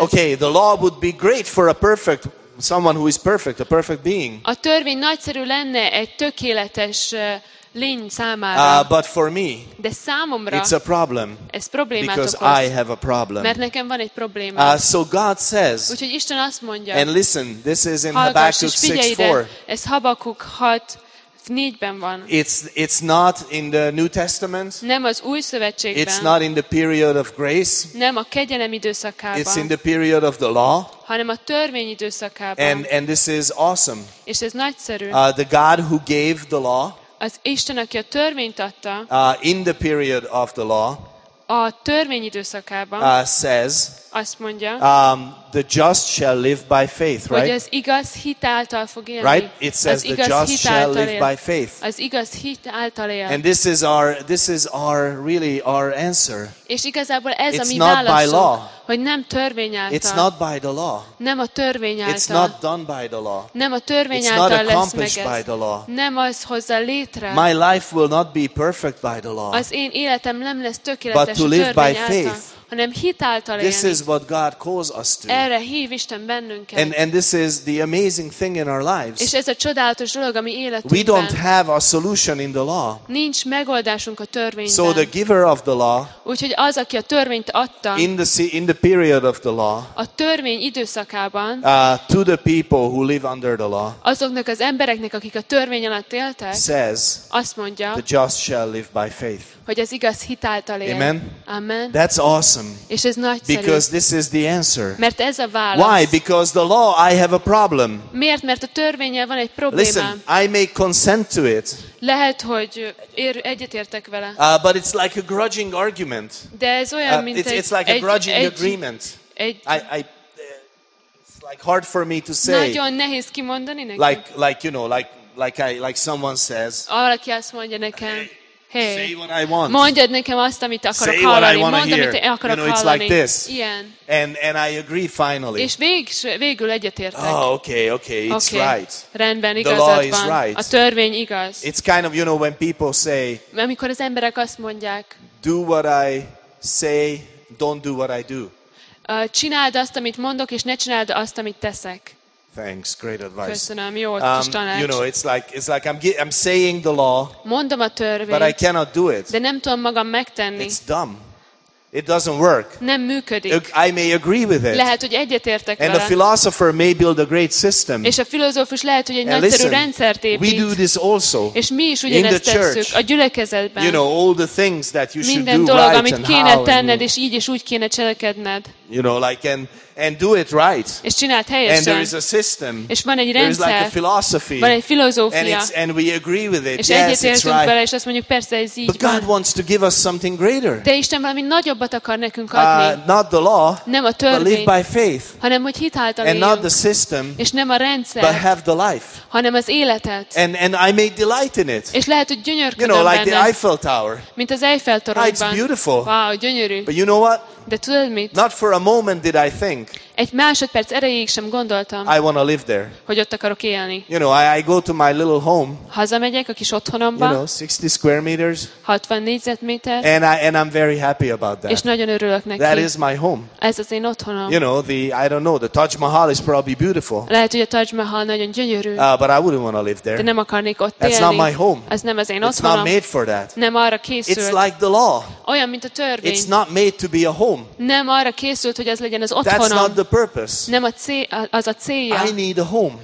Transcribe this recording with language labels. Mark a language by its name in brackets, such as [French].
[English] Okay, the law would be great for a perfect someone who is perfect, a perfect being. [Hungarian] A törvény nagyszerű lenne egy tökéletes lény számára. [English] But for me. [Hungarian] De számomra. [English] It's a problem. [Hungarian] Ez problémát [English] because [Hungarian] okoz. [English] I have a problem. [Hungarian] Mert nekem van egy probléma. [English] So God says. [Hungarian] Úgyhogy Isten azt mondja. [English] And listen, this is in [Hungarian] hallgass, [English] Habakkuk 6:4. [Hungarian] Ez Habakkuk 6:4-ben van. [English] It's not in the New Testament. [Hungarian] Nem az Új Szövetségben. [English] It's not in the period of grace. [Hungarian] Nem a kegyelem időszakában. [English] It's in the period of the law. [Hungarian] Hanem a törvény időszakában. [English] And this is awesome. [Hungarian] És ez nagyszerű. [English] The God who gave the law. [Hungarian] Az Isten, aki a törvényt adta, [English] in the period of the law, [Hungarian] a törvény időszakában, [English] says, [Hungarian] azt mondja, [English] the just shall live by faith, right? [Hungarian] Vagy az igaz hit által fog élni. [English] Right? It says the just shall live by faith. [Hungarian] Az igaz hit által él. [English] And this is our really our answer. [Hungarian] És igazából ez [English] it's [Hungarian] a mi [English] not [Hungarian] válaszunk, [English] by law. [Hungarian] Hogy nem törvény által. [English] It's not by the law. [Hungarian] Nem a törvény által. [English] It's not done by the law. [Hungarian] Nem a törvény [English] it's [Hungarian] által [English] not [Hungarian] lesz [English] accomplished [Hungarian] meg [English] by the law. [Hungarian] Nem az hozzá létre. [English] My life will not be perfect by the law. [Hungarian] Az én életem nem lesz tökéletes a [English] to live by faith. [Hungarian] Által. Hanem hit által [English] this [Hungarian] élni. [English] Is what God calls us to. [Hungarian] Erre hív Isten bennünket. [English] And this is the amazing thing in our lives. [Hungarian] És ez a csodálatos dolog a mi életünkben. [English] We don't have a solution in the law. [Hungarian] Nincs megoldásunk a törvényben. [English] So the giver of the law. [Hungarian] Úgyhogy az, aki a törvényt adta. [English] In the period of the law. [Hungarian] A törvény időszakában. [English] To the people who live under the law. [Hungarian] Azoknak az embereknek, akik a törvény alatt éltek. [English] Says. [Hungarian] Azt mondja. [English] The just shall live by faith. [Hungarian] Hogy az igaz hit által él. [English] Amen. [Hungarian] Amen. [English] That's awesome. [Hungarian] És ez nagyszerű. [English] Because this is the answer. [Hungarian] Mert ez a válasz. [English] Why? Because the law, I have a problem. [Hungarian] Miért? Mert a törvénnyel van egy problémám. [English] Listen, I may consent to it. [Hungarian] Lehet, hogy egyetértek vele. [English] But it's like a grudging argument. [Hungarian] De ez olyan, mint [English] it's like a grudging agreement. It's like hard for me to say. [Hungarian] Nagyon nehéz kimondani nekem. [English] Like you know, like someone says. [Hungarian] Valaki azt mondja nekem. [English] Hey, say what I want. [Hungarian] Mondjad nekem azt, amit akarok [English] say [Hungarian] hallani. [English] What I want [Hungarian] mondd, [English] to hear. [Hungarian] Amit akarok hallani. [English] You know, it's like this. [Hungarian] Ilyen. [English] And I agree finally. [Hungarian] És végül egyetértek. [English] Oh, okay, it's okay. Right. [Hungarian] Rendben, [English] the law is right. [Hungarian] A törvény igaz. [English] It's kind of, you know, when people say, [Hungarian] amikor az emberek azt mondják, [English] do what I say, don't do what I do. [Hungarian] Csináld azt, amit mondok, és ne csináld azt, amit teszek. [English] Thanks, great advice. [Hungarian] Köszönöm, jó tanács. [English] You know, it's like I'm saying the law. [Hungarian] Mondom a törvényt. [English] But I cannot do it. [Hungarian] De nem tudom magam megtenni. [English] It's dumb. It doesn't work. [Hungarian] Nem működik. [English] I may agree with it. [Hungarian] Lehet, hogy egyetértek vele. [English] And a philosopher may build a great system. [Hungarian] És a filozófus lehet, hogy egy nagyszerű rendszert épít. [English] We do this also. [Hungarian] És mi is ugyanezt tesszük a gyülekezetben. [English] You know, all the things that you [Hungarian] minden [English] should do [Hungarian] dolog, [English] right [Hungarian] amit [English] and [Hungarian] kéne [English] how [Hungarian] tenned, [English] and [Hungarian] és így és úgy kéne cselekedned. [English] You know, like and do it right. [Hungarian] És csináld helyesen. [English] And there is a system. [Hungarian] És van egy rendszer. [English] There is like a philosophy. [Hungarian] Van egy filozófia. [English] And we agree with it. [Hungarian] És [English] yes, [Hungarian] egyetértünk [English] it's right. [Hungarian] Vele, és azt mondjuk persze ez így. [English] But God wants to give us something greater. [Hungarian] De Isten valami nagyobbat akar nekünk adni. [English] Not the law. [Hungarian] Nem a törvény. [English] But live by faith. [Hungarian] Hanem hogy hit által éljünk. [English] And not the system. [Hungarian] És nem a rendszer. [English] But have the life. [Hungarian] Hanem az életet. [English] And I may delight in it. [Hungarian] És lehet, hogy gyönyörködöm benne. [English] You know, like the Eiffel Tower. [Hungarian] Mint az Eiffel toronyban. [English] It's beautiful. [Hungarian] Wow, gyönyörű. [English] But you know what? [Hungarian] De tudod mit? [English] Not for a moment did I think. [Hungarian] Egy másodperc erejéig sem gondoltam. [English] I want to live there. [Hungarian] Hogy ott akarok élni. [English] You know, I go to my little home. [Hungarian] Hazamegyek a kis otthonomba. [English] You know, 60 square meters. [Hungarian] 60 négyzetméter. [English] And I'm very happy about that. [Hungarian] És nagyon örülök neki. [English] That is my home. [Hungarian] Ez az én otthonom. [English] You know, the Taj Mahal is probably beautiful. [Hungarian] Lehet, hogy a Taj Mahal nagyon gyönyörű. [English] But I wouldn't want to live there. [Hungarian] De nem akarnék ott [English] That's [Hungarian] élni. [English] That's not my home. [Hungarian] Ez nem az én [English] It's [Hungarian] otthonom. [English] It's not made for that. [Hungarian] Nem arra készült. [English] It's like the law. [Hungarian] Olyan, mint a törvény. [English] It's not made to be a home. [Hungarian] Nem arra készült, hogy ez legyen az otthonom. [English] That's not the purpose. [Hungarian] Nem a az a célja. [English] I need a home.